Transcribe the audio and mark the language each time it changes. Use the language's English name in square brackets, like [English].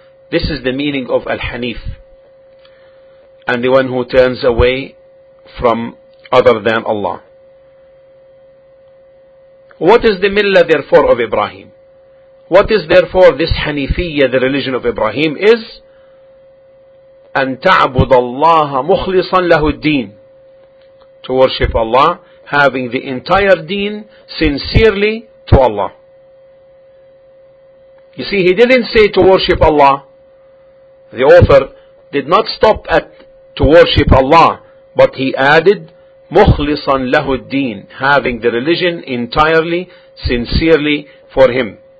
[English] This is the meaning of Al-Hanif, and the one who turns away from other than Allah. What is the millah therefore of Ibrahim? What is therefore this Hanifiyya, the religion of Ibrahim, is? [Arabic] أن تعبد الله مخلصا له الدين. [English] To worship Allah, having the entire deen sincerely to Allah. You see, he didn't say to worship Allah. The author did not stop at to worship Allah, but he added [Arabic] مخلصا له الدين, [English] having the religion entirely, sincerely for him.